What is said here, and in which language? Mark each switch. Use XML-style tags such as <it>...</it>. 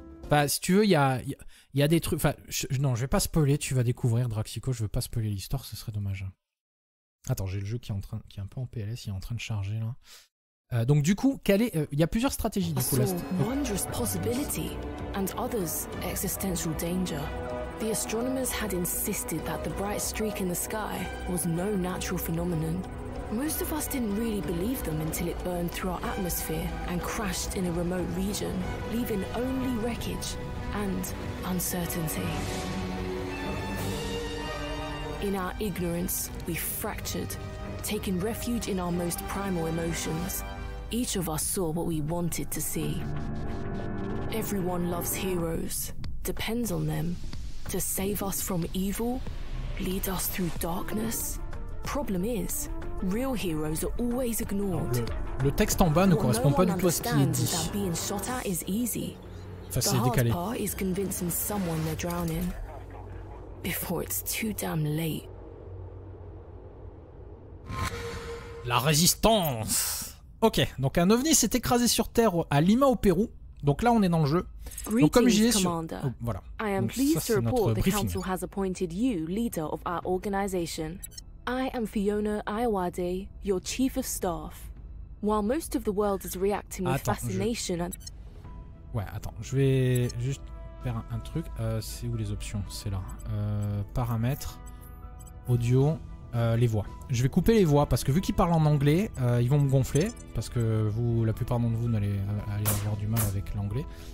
<fr>Bah, si tu veux, il y a des trucs... Enfin, je vais pas spoiler, tu vas découvrir Draxico, je veux pas spoiler l'histoire, ce serait dommage. Attends, j'ai le jeu qui est un peu en PLS, il est en train de charger, là. Donc du coup, il y a plusieurs stratégies, du coup, là.</fr> <en>Wondrous possibility and others existential danger. The astronomers had insisted that the bright streak in the sky was no natural phenomenon. Most of us didn't really believe them until it burned through our atmosphere and crashed in a remote region, leaving only wreckage and uncertainty. In our ignorance, we fractured, taking refuge in our most primal emotions. Each of us saw what we wanted to see. Everyone loves heroes, depends on them to save us from evil, lead us through darkness. Problem is, real heroes are always ignored.</en> <fr>Le texte en bas ne correspond pas du tout à ce qui est dit.</fr> <en>Being shot at is easy.</en> <fr>Enfin, c'est décalé.</fr> <en>The hard part is convincing someone they're drowning before it's too damn late.</en> <fr>La résistance. Ok, donc un ovni s'est écrasé sur Terre à Lima au Pérou. Donc là, on est dans le jeu. Donc comme j'y ai sur... Oh, voilà.</fr> <en>I am pleased to report the council has appointed you leader of our organization. I am Fiona Iwade, your chief of staff. While most of the world is reacting with fascination and...</en> <fr>Ouais, attends, je vais juste faire un truc. C'est où les options ? C'est là. Paramètres, audio, les voix. Je vais couper les voix parce que vu qu'ils parlent en anglais, ils vont me gonfler. Parce que vous, la plupart d'entre vous n'allez avoir du mal avec l'anglais.</fr>